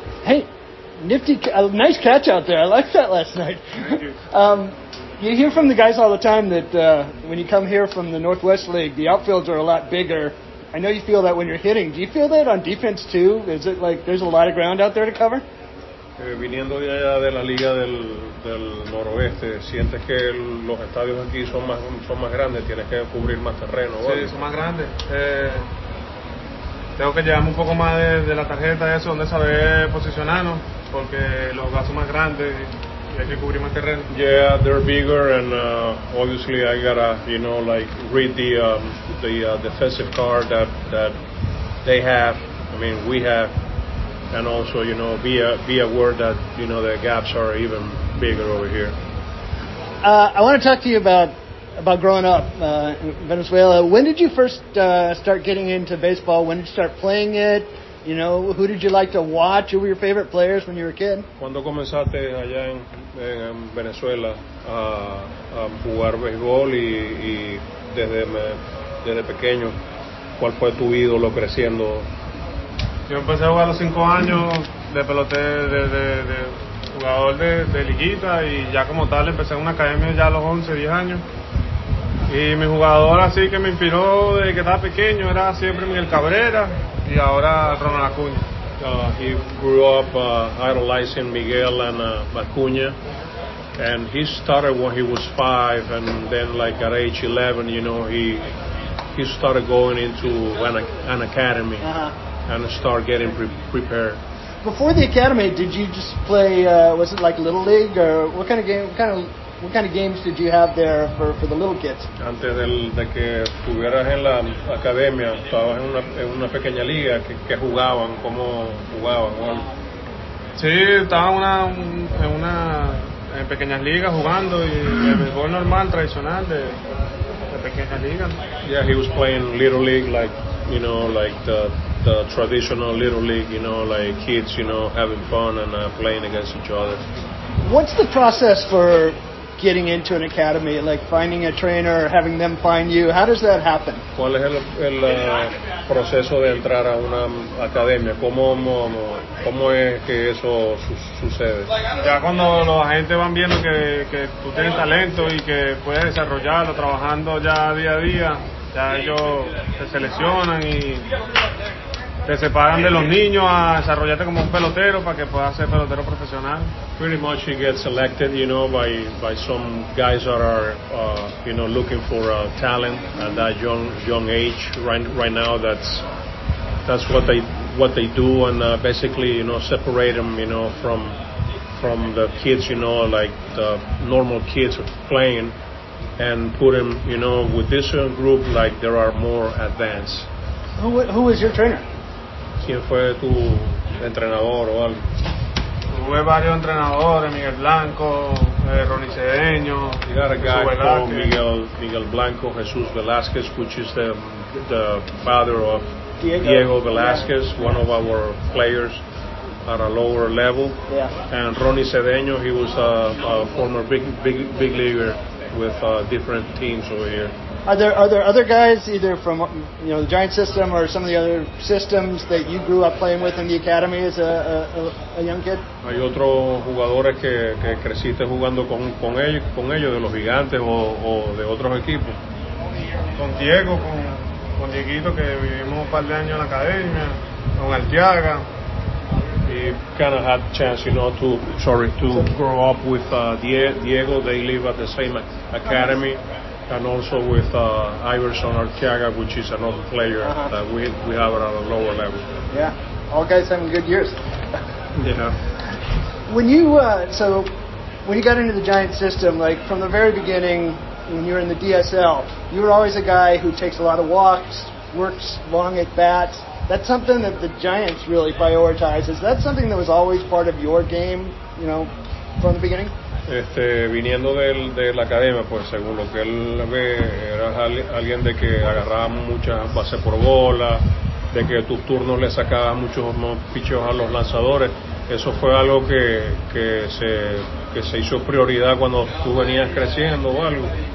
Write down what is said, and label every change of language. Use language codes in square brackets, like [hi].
[en] Hey, nifty, nice catch out there. I liked that last night. Thank you. You hear from the guys all the time that when you come here from the Northwest League, the outfields are a lot bigger. I know you feel that when you're hitting. Do you feel that on defense too? Is it like there's a lot of ground out there to cover? [es] Viniendo ya de la liga del noroeste, sientes que los estadios aquí son más grandes. Tienes que cubrir más terreno. Sí, son más grandes. Tengo que llevarme un poco más de la tarjeta, eso, donde saber posicionarnos, porque los gastos más grandes. [en] Yeah, they're bigger, and obviously I gotta, you know, like read the defensive card that they have. I mean, we have, and also, you know, be aware that, you know, the gaps are even bigger over here. I want to talk to you about growing up in Venezuela. When did you first start getting into baseball? When did you start playing it? You know, who did you like to watch? Who were your favorite players when you were a kid? [es] Cuando comenzaste allá en Venezuela a jugar béisbol y desde pequeño, ¿cuál fue tu ídolo creciendo? Yo empecé a jugar a los 5 años de pelote de jugador de liguita y ya como tal empecé en una academia ya a los 11, 10 años. Y mi jugador así que me inspiró desde que estaba pequeño era siempre Miguel Cabrera. Y ahora Ronald Acuña. [en] He grew up idolizing Miguel and Acuña, and he started when he was 5, and then like at age 11, you know, he started going into an academy. Uh-huh. And start getting prepared. Before the academy, did you just play? Was it like little league or what kind of games did you have there for the little kids? [es] Antes de que estuvieras en la academia, estabas en una pequeña liga. ¿Qué jugaban? ¿Cómo jugaban? Sí, estaba en pequeñas ligas jugando y el béisbol normal, tradicional de pequeñas ligas. Yeah, he was playing little league, like, you know, like the traditional little league, you know, like kids, you know, having fun and playing against each other. [en] What's the process for getting into an academy, like finding a trainer, having them find you? How does that happen? [es] ¿Cuál es el proceso de entrar a una academia? ¿Cómo es que eso sucede? Ya cuando los agentes van viendo que tú tienes talento y que puedes desarrollarlo trabajando ya día a día, ya ellos te seleccionan y te separan de los niños a desarrollarte como un pelotero para que puedas ser pelotero profesional. [en] Pretty much you get selected, you know, by some guys that are, you know, looking for talent at that young age. Right now, that's what they do, and basically, you know, separate them, you know, from the kids, you know, like the normal kids playing, and put them, you know, with this group, like there are more advanced. Who is your trainer? [es] quién fue tu entrenador o algo. Tuve varios entrenadores, Miguel Blanco, Ronnie Cedeño. [en] You got a guy called Miguel Blanco, Jesús Velázquez, which is the father of Diego Velázquez, one of our players at a lower level. Yeah. And Ronnie Cedeño, he was a former big leaguer with different teams over here. Are there other guys, either from the Giants system or some of the other systems that you grew up playing with in the academy as a young kid? [es] Hay otros jugadores que creciste jugando con ellos de los Gigantes o de otros equipos. Con Diego, con Dieguito, que vivimos un par de años en la academia, con Altiaga. [en] He kind of had a chance, grow up with Diego. They live at the same academy. And also with Iverson Arteaga, which is another player that we have at a lower level. Yeah, all guys having good years. Yeah. When you got into the Giants system, like from the very beginning, when you were in the DSL, you were always a guy who takes a lot of walks, works long at bats. That's something that the Giants really prioritize. Is that something that was always part of your game, from the beginning? [es] Viniendo de la academia, pues según lo que él ve, era alguien de que agarraba muchas bases por bola, de que tus turnos le sacaban muchos picheos a los lanzadores. Eso fue algo que se hizo prioridad cuando tú venías creciendo o algo.